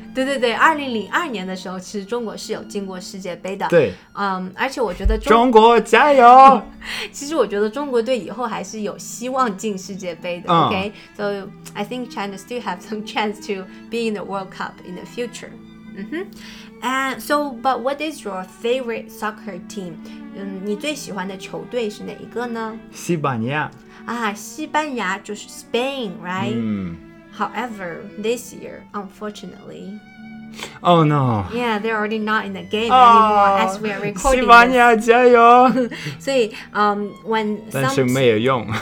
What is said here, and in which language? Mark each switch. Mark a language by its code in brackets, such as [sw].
[zh] 对对对2002年的时候其实中国是有进过世界杯的对而且我觉得中国加油其实我觉得中国队以后还是有希望进世界杯的、OK? [en] So I think China still have some chance to be in the World Cup in the future、And so but what is your favorite soccer team? [zh] 你最喜欢的球队是哪一个呢西班牙啊，西班牙就是 [en] Spain right?、However, this year, unfortunately, oh no, yeah, they're already not in the game anymore as we are recording. [zh] 西班牙加油！所以when 但是没有用。